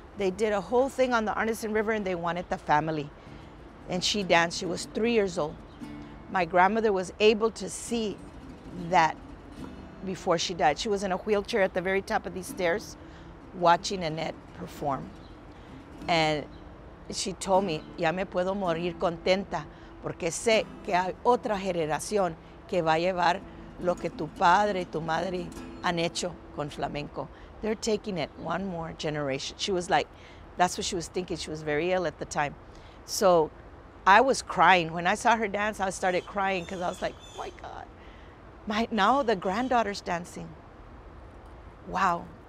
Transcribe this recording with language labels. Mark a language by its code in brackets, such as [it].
[en] They did a whole thing on the Arneson River and they wanted the family. And she danced, she was 3 years old. My grandmother was able to see that before she died. She was in a wheelchair at the very top of these stairs watching Annette perform. And she told me, [es] ya me puedo morir contenta porque sé que hay otra generación que va a llevar lo que tu padre y tu madre han hecho con flamenco. [en] They're taking it one more generation. She was like, that's what she was thinking. She was very ill at the time. So I was crying. When I saw her dance, I started crying because I was like, oh my God. Now the granddaughter's dancing. Wow.